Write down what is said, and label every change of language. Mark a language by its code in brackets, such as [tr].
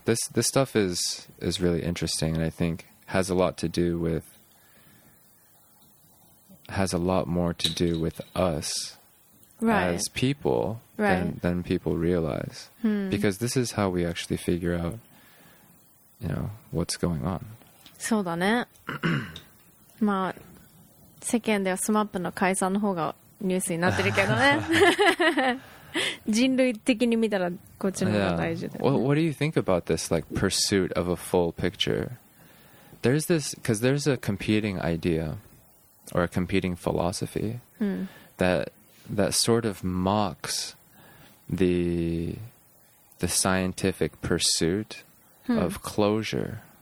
[en] This stuff is really interesting, and I think has a lot more to do with us. Right. As people, right. than people realize, because this is how we actually figure out, you know, what's going on. [ja] そうだね。まあ、世間ではスマップの解散の方がニュースになってるけどね。人類的に見たらこっちの方が大事だよね。 [en] Yeah. Well, what do you think about this like pursuit of a full picture? There's this, because there's a competing idea or a competing philosophy that sort of mocks the scientific pursuit of closure.